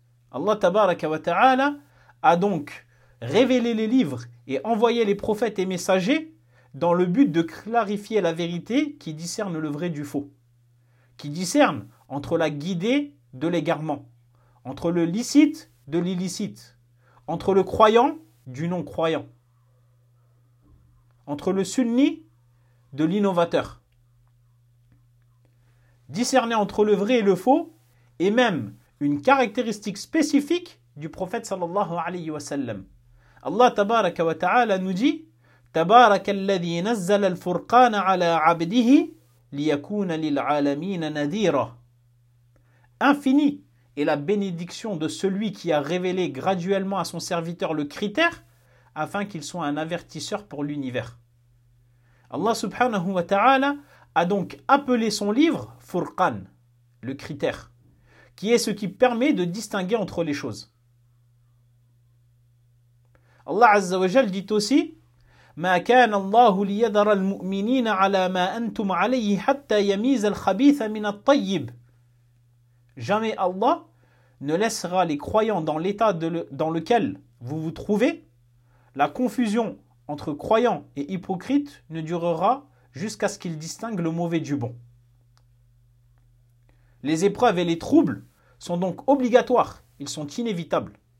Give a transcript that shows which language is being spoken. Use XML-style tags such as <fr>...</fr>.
<ar>Allah tabaraka wa ta'ala</ar> <fr>a donc révélé les livres et envoyé les prophètes et messagers dans le but de clarifier la vérité qui discerne le vrai du faux, qui discerne entre la guidée de l'égarement, entre le licite de l'illicite, entre le croyant du non-croyant, entre le sunni de l'innovateur. Discerner entre le vrai et le faux est même une caractéristique spécifique du prophète</fr> <ar>sallallahu alayhi wa sallam.</ar> <fr>Allah tabaraka wa ta'ala nous dit:</fr> <ar>تبارك الذي نزل الفرقان على عبده ليكون للعالمين نذيرا.</ar> <fr>Infinie est la bénédiction de celui qui a révélé graduellement à son serviteur le critère afin qu'il soit un avertisseur pour l'univers. Allah subhanahu wa ta'ala a donc appelé son livre Furqan, le critère, qui est ce qui permet de distinguer entre les choses. Allah azza wa jal dit aussi:</fr> <ar>ما كان الله ليذر المؤمنين على ما أنتم عليه حتى يميز الخبيث من الطيب.</ar> <fr>Jamais Allah ne laissera les croyants dans l'état dans lequel vous vous trouvez. La confusion entre croyants et hypocrites ne durera jusqu'à ce qu'ils distinguent le mauvais du bon. Les épreuves et les troubles sont donc obligatoires, ils sont inévitables.</fr>